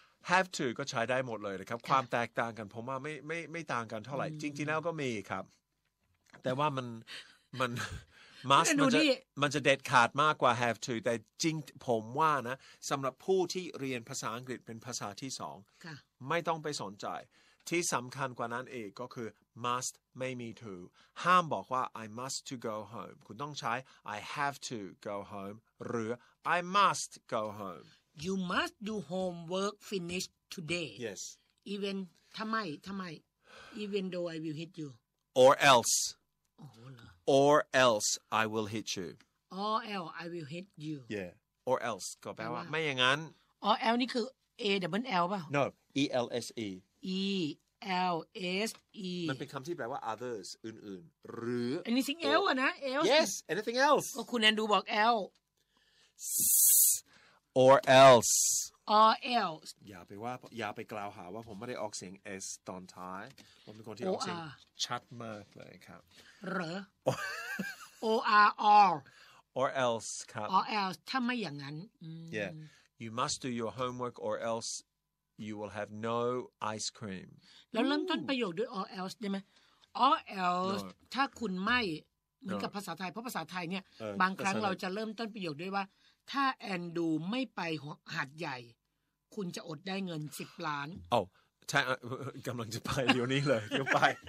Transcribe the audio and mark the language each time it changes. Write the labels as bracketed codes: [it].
[th] have to ก็ใช้ได้หมดเลยนะครับ ความแตกต่างกันผมว่าไม่ต่างกันเท่าไหร่จริงๆแล้วก็มีครับแต่ว่ามัน must มันจะเด็ดขาดมากกว่า have to แต่จริงผมว่านะสำหรับผู้ที่เรียนภาษาอังกฤษเป็นภาษาที่สองไม่ต้องไปสนใจที่สำคัญกว่านั้นเองก็คือ must ไม่มี to ห้ามบอกว่า [en] I must to go home [th] คุณต้องใช้ [en] I have to go home [th] หรือ [en] I must go home you must do homework finish today yes even [th] ทำไม [en] even though I will hit you or else oh, or else I will hit you or else I will hit you yeah or else [th] ก็แปลว่าไม่อย่างนั้น [en] or else [th] นี่คือ [en] a double l ป่ะ no else E-L-S-E [th] มันเป็นคำที่แปลว่า others อื่นๆหรือ [en] anything else [th] อ่ะนะ [en] else yes anything else [th] ก็คุณแอนดูบอก L [en] or else or else [th] อย่าไปว่าอย่าไปกล่าวหาว่าผมไม่ได้ออกเสียง S ตอนท้ายผมเป็นคนที่ออกเสียงชัดมากเลยครับ หรือ O-R-R [en] or else ครับ or else [th] ถ้าไม่อย่างนั้น [en] yeah you must do your homework or elseyou will have no ice cream [th] แล้วเริ่มต้นประโยคด้วย [en] or else [th] ได้ไหม or else [en] no. [th] ถ้าคุณไม่เหมือน no. กับภาษาไทยเพราะภาษาไทยเนี่ยบางครั้งเราจะเริ่มต้นประโยคด้วยว่าถ้าแอนดูไม่ไปหาดใหญ่คุณจะอดได้เงิน10ล้าน โอ้ใช่กำลังจะไปเดี๋ยวนี้เลยเดี๋ยวไป